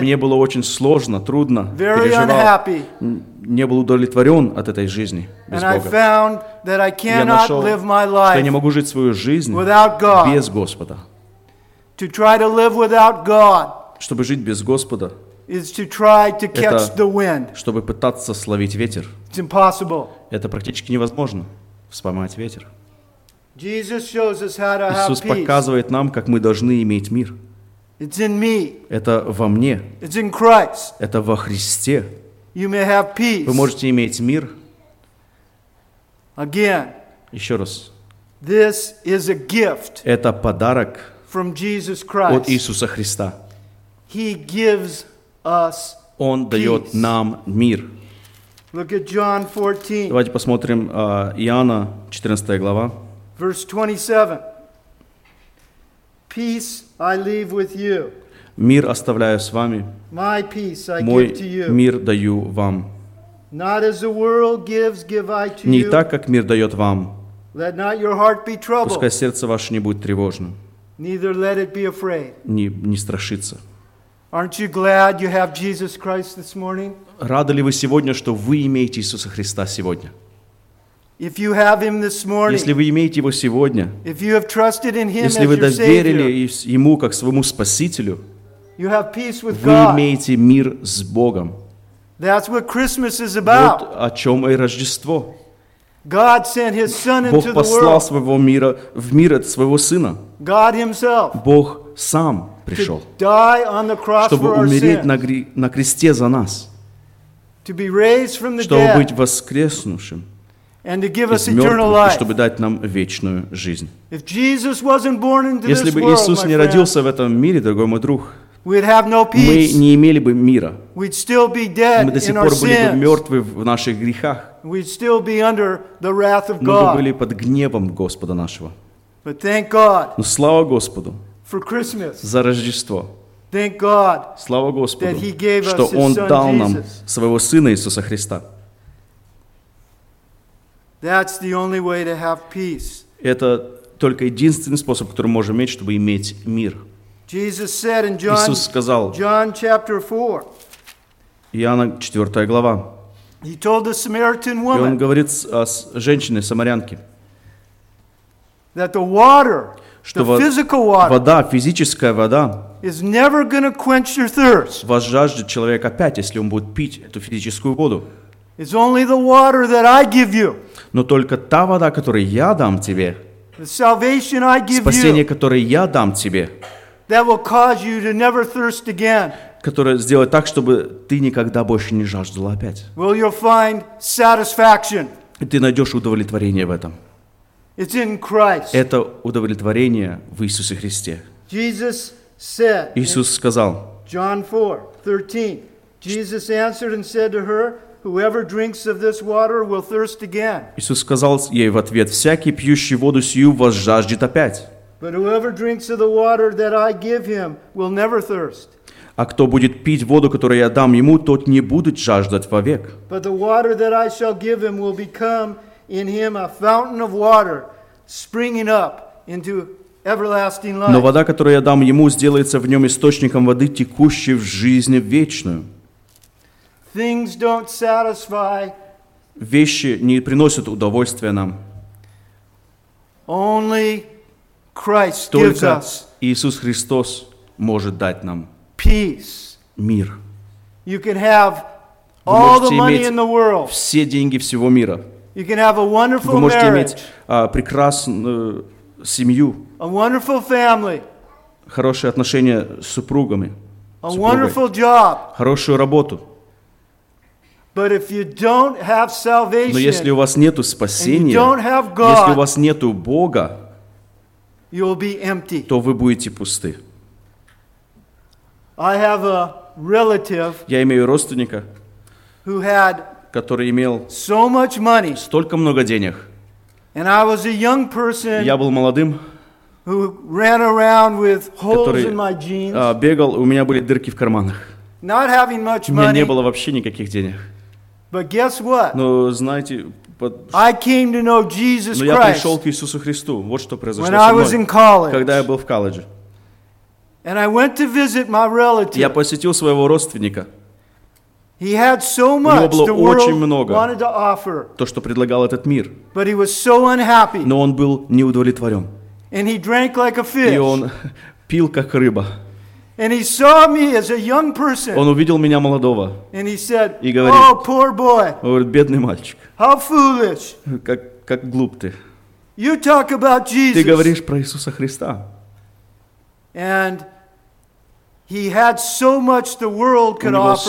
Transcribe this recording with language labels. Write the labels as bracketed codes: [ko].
[ru] мне было очень сложно, трудно. [en] Very [ru] переживал. [en] Unhappy. [ru] Не был удовлетворен от этой жизни без [en] And [ru] Бога. [en] I found that I cannot [ru] я нашел, [en] live my life [ru] что я не могу жить свою жизнь [en] without God. [ru] Без Господа. [en] To try to live without God, [ru] чтобы жить без Господа, [en] is to try to catch the wind. [ru] Это чтобы пытаться словить ветер. [en] It's impossible. [ru] Это практически невозможно. Вспоймать ветер. [en] Jesus shows us how to have [ru] Иисус показывает нам, как мы должны иметь мир. [en] It's in me. [ru] Это во мне. [en] It's in Christ. [ru] Это во Христе. [en] You may have peace. [ru] Вы можете иметь мир. [en] Again, [ru] еще раз. [en] This is a gift [ru] это подарок [en] from Jesus Christ. [ru] От Иисуса Христа. [en] He gives us [ru] Он дает нам мир. [en] Look at John 14. [ru] Давайте посмотрим Иоанна, 14 глава. [en] Verse 27. Peace I leave with you. [ru] Мир оставляю с вами. [en] My peace I [ru] Мой [en] give to you. [ru] Мир даю вам. [en] Not as the world gives, give I to you. [ru] Не так, как мир дает вам. [en] Let not your heart be troubled. [ru] Пускай сердце ваше не будет тревожным. [en] Neither let it be afraid. [ru] Не страшиться. [en] Aren't you glad you have Jesus Christ this morning? [ru] Рады ли вы сегодня, что вы имеете Иисуса Христа сегодня? [en] If you have him this morning, [ru] если вы имеете его сегодня, [en] if you have trusted in him, [ru] если вы доверили [en] your Savior, [ru] ему как своему спасителю, [en] you have peace with [ru] вы [en] God. [ru] Имеете мир с Богом. [en] That's what Christmas is about. [ru] Вот о чем и Рождество. [en] God sent his son into [ru] Бог послал своего мира в мир от своего сына. [en] God himself. [ru] Бог сам пришел, [en] to die on the cross [ru] чтобы [en] for [ru] умереть на кресте за нас, [en] to be raised from the [ru] чтобы [en] dead, [ru] быть воскреснувшим [en] and to give us [ru] из мертвых, [en] life. [ru] Чтобы дать нам вечную жизнь. [en] If Jesus wasn't born into [ru] Если [en] this [ru] бы Иисус [en] world, [ru] не [en] friend, [ru] родился в этом мире, дорогой мой друг, [en] we'd have no peace. [ru] Мы не имели бы мира. [en] We'd still be dead [ru] мы до сих пор были [en] sins. [ru] Бы мертвы в наших грехах. [en] We'd still be under the wrath of [ru] Мы бы были под гневом Господа нашего. [en] But thank God. [ru] Но слава Господу. [en] For Christmas. [ru] За Рождество. [en] Thank God. [ru] Слава Господу. [en] That he gave us [ru] что [en] his [ru] Он [en] son [ru] дал [en] Jesus. [ru] Нам своего Сына Иисуса Христа. [en] That's the only way to have peace. [ru] Это только единственный способ, который мы можем иметь, чтобы иметь мир. [en] Jesus said in John, [ru] Иисус сказал. [en] John chapter 4. [ru] Иоанна 4 глава. [en] He told the Samaritan woman. [ru] И он говорит о женщине самарянке. [en] That the water, [ru] что [en] the physical water, [ru] вода, физическая вода, [en] is never gonna quench your thirst. [ru] Возжаждет человек опять, если он будет пить эту физическую воду. [en] It's only the water that I give you. [ru] Но только та вода, которую я дам тебе, [en] the salvation I give [ru] спасение, [en] you, [ru] которое я дам тебе, [en] that will cause you to never thirst again. [ru] Которое сделает так, чтобы ты никогда больше не жаждал опять. [en] Will you find satisfaction? [ru] И ты найдешь удовлетворение в этом. [en] It's in Christ. [ru] Это удовлетворение в Иисусе Христе. [en] Jesus said, [ru] Иисус сказал. [en] John 4:13. Jesus answered and said to her, "Whoever drinks of this water will thirst again." [ru] Иисус сказал ей в ответ: "Всякий пьющий воду сию возжаждет опять." [en] But whoever drinks of the water that I give him will never thirst. [ru] А кто будет пить воду, которую я дам ему, тот не будет жаждать вовек. [en] But the water that I shall give him will become in him a fountain of water springing up into everlasting life. [ru] Но вода, которую я дам ему, сделается в нем источником воды, текущей в жизнь вечную. [en] Things don't satisfy. [ru] Вещи не приносят удовольствия нам. [en] Only Christ [ru] Только [en] gives us. [ru] Иисус Христос может дать нам [en] peace. [ru] Мир. [en] You can have all the money in the world. [ru] Все деньги всего мира. [en] You can have a wonderful marriage. [ru] Вы можете иметь прекрасную семью. [en] A wonderful family. [ru] Хорошие отношения с супругами. [en] A wonderful job. [ru] Хорошую работу. [en] But if you don't have salvation, [ru] но если у вас нету спасения, [en] and you don't have God, [ru] если у вас нету Бога, [en] you'll be empty. [ru] То вы будете пусты. [en] I have a relative. [ru] Я имею родственника, [en] who had [ru] который имел [en] so much money, [ru] столько много денег. [en] And I was a young person, [ru] я был молодым, [en] who ran around with holes [ru] который [en] in my jeans, [ru] бегал, у меня были дырки в карманах. [en] Not having much money, [ru] у меня не было вообще никаких денег. [en] But guess what? [ru] Но знаете, [en] I came to know Jesus [ru] Christ, но я пришел к Иисусу Христу. Вот что произошло [en] when [ru] со мной, [en] I was in college, [ru] когда я был в колледже. [en] And I went to visit my relative. [ru] Я посетил своего родственника. [en] He had so much, [ru] у него было [en] the [ru] очень [en] world [ru] много, то, что предлагал этот мир. [en] But he was so unhappy. [ru] Но он был неудовлетворен. [en] And he drank like a fish. [ru] И он пил, как рыба. [en] And he saw me as a young person. [ru] Он увидел меня молодого. [en] And he said, [ru] и говорит, [en] oh, poor boy. [ru] Он говорит, бедный мальчик. [en] How foolish. [ru] Как глуп ты. [en] You talk about Jesus. [ru] Ты говоришь про Иисуса Христа. [en] And he had so much the world could offer.